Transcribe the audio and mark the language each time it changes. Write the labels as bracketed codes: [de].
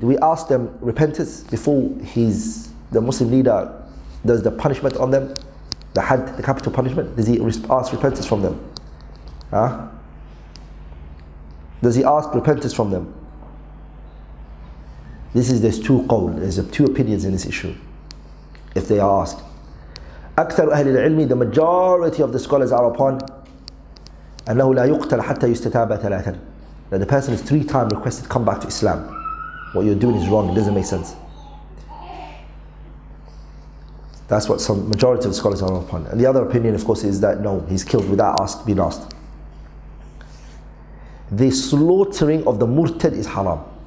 [en] Do we ask them repentance before the Muslim leader does the punishment on them, the had, the capital punishment? Does he ask repentance from them? Huh? Does he ask repentance from them? There's two qawl, there's two opinions in this issue, if they are asked. [ar] أكثر أهل العلم, [en] the majority of the scholars are upon [ar] أنه لا يقتل حتى يستتاب ثلاثا. [en] That the person is three times requested to come back to Islam. What you're doing is wrong, it doesn't make sense. That's what some majority of scholars are upon. And the other opinion, of course, is that no, he's killed without being asked. The slaughtering of the murtad is haram.